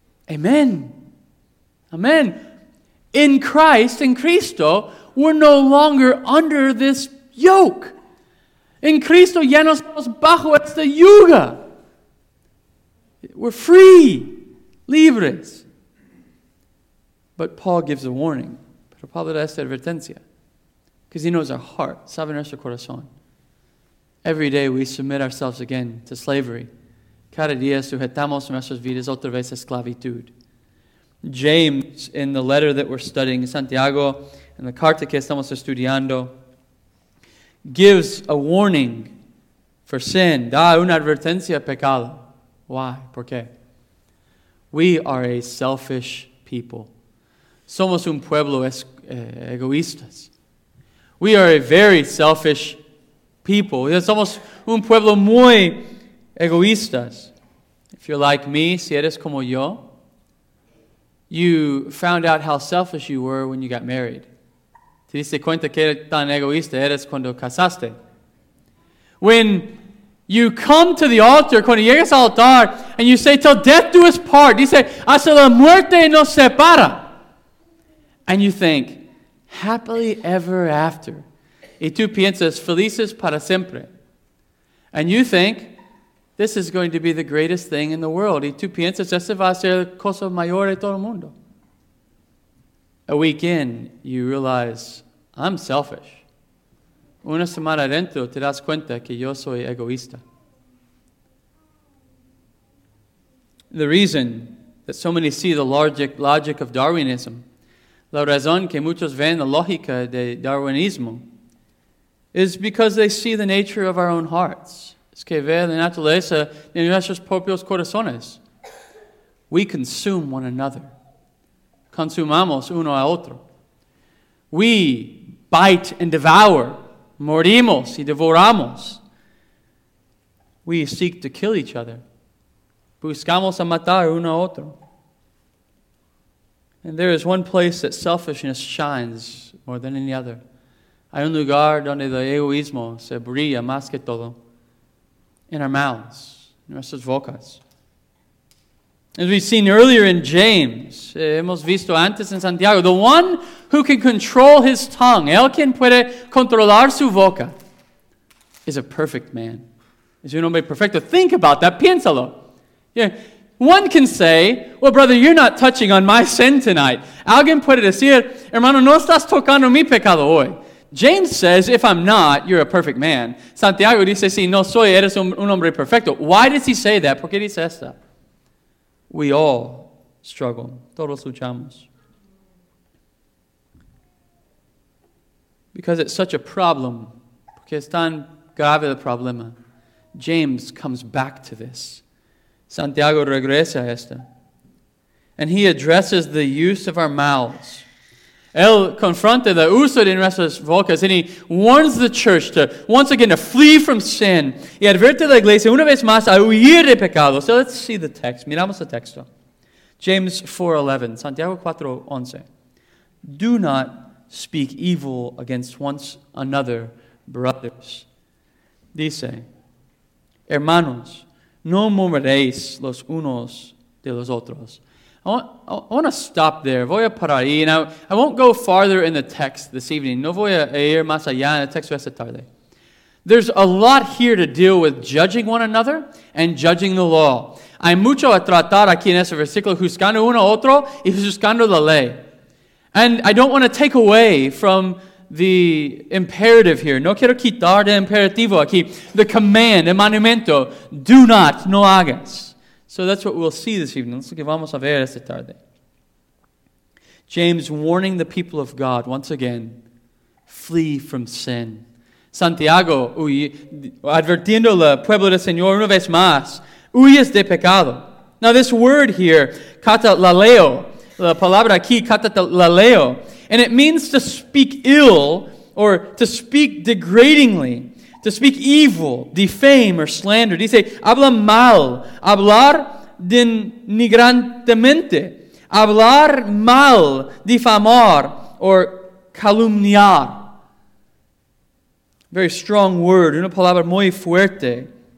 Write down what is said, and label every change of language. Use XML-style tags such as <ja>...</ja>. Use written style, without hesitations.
<en>Amen. Amen. In Christ, in Cristo, we're no longer under this yoke.</en> <es>In Cristo ya no estamos bajo esta yuga.</es> <en>We're free. Libres. But Paul gives a warning.</en> <es>Pero Pablo da esta advertencia.</es> <en>Because he knows our heart.</en> <es>Sabe nuestro corazón.</es> <en>Every day we submit ourselves again to slavery.</en> <es>Cada día sujetamos nuestras vidas otra vez a esclavitud.</es> <en>James, in the letter that we're studying, Santiago, in the</en> <es>carta que estamos estudiando,</es> <en>gives a warning for sin.</en> <es>Da una advertencia pecado.</es> <en>Why?</en> <es>¿Por qué?</es> <en>We are a selfish people.</en> <es>Somos un pueblo egoístas.</es> <en>We are a very selfish people.</en> <es>Somos un pueblo muy egoístas.</es> <en>If you're like me,</en> <es>si eres como yo,</es> <en>you found out how selfish you were when you got married.</en> <es>Te diste cuenta que eres tan egoísta eres cuando casaste.</es> <en>When you come to the altar,</en> <es>cuando llegas al altar,</es> <en>and you say, till death do us part. You say,</en> <es>hasta la muerte nos separa.</es> <en>And you think, happily ever after.</en> <es>Y tú piensas, felices para siempre.</es> <en>And you think, this is going to be the greatest thing in the world.</en> <es>Y tú piensas, esto va a ser la cosa mayor de todo el mundo.</es> <en>A week in, you realize, I'm selfish.</en> <es>Una semana adentro, te das cuenta que yo soy egoísta.</es> <en>The reason that so many see the logic of Darwinism,</en> <es>la razón que muchos ven la lógica de Darwinismo,</es> <en>is because they see the nature of our own hearts.</en> <es>Es que ve la naturaleza de nuestros propios corazones.</es> <en>We consume one another.</en> <es>Consumamos uno a otro.</es> <en>We bite and devour.</en> <es>Morimos y devoramos.</es> <en>We seek to kill each other.</en> <es>Buscamos a matar uno a otro.</es> <en>And there is one place that selfishness shines more than any other.</en> <es>Hay un lugar donde el egoísmo se brilla más que todo.</es> <en>In our mouths, in</en> <es>nuestras bocas.</es> <en>As we've seen earlier in James,</en> <es>hemos visto antes en Santiago,</es> <en>the one who can control his tongue,</en> <es>el quien puede controlar su boca,</es> <en>is a perfect man.</en> <es>Es un hombre perfecto.</es> <en>Think about that.</en> <es>Piénsalo.</es> <en>Yeah. One can say, well, brother, you're not touching on my sin tonight.</en> <es>Alguien puede decir, hermano, no estás tocando mi pecado hoy.</es> <en>James says, if I'm not, you're a perfect man.</en> <es>Santiago dice, si no soy, eres un hombre perfecto.</es> <en>Why does he say that?</en> <es>¿Por qué dice esto?</es> <en>We all struggle.</en> <es>Todos luchamos.</es> <en>Because it's such a problem,</en> <es>porque es tan grave el problema,</es> <en>James comes back to this.</en> <es>Santiago regresa a esto.</es> <en>And he addresses the use of our mouths.</en> <es>Él confronta el uso de nuestras bocas,</es> <en>and he warns the church to, once again, to flee from sin.</en> <es>Y advierte la iglesia una vez más a huir de pecado.</es> <en>So let's see the text.</en> <es>Miramos el texto.</es> <en>James 4:11.</en> <es>Santiago 4:11.</es> <en>Do not speak evil against one another, brothers.</en> <es>Dice, hermanos, no murmuréis los unos de los otros.</es> <en>I want to stop there.</en> <es>Voy a parar ahí.</es> <en>Now, I won't go farther in the text this evening.</en> <es>No voy a ir más allá en el texto esta tarde.</es> <en>There's a lot here to deal with judging one another and judging the law.</en> <es>Hay mucho a tratar aquí en ese versículo, juzgando uno a otro y juzgando la ley.</es> <en>And I don't want to take away from the imperative here.</en> <es>No quiero quitar de imperativo aquí.</es> <en>The command,</en> <es>el mandamiento,</es> <en>do not,</en> <es>no hagas.</es> <en>So that's what we'll see this evening.</en> <es>Es lo que vamos a ver esta tarde.</es> <en>James warning the people of God, once again, flee from sin.</en> <es>Santiago, advirtiendo al pueblo del Señor una vez más, huyes de pecado.</es> <en>Now this word here, katalaleo,</en> <es>la palabra aquí,</es> <en>katalaleo, and it means to speak ill or to speak degradingly, to speak evil, defame or slander.</en> <es>Dice, habla mal, hablar denigrantemente, hablar mal, difamar or calumniar.</es> <en>Very strong word,</en> <es>una palabra muy fuerte.</es>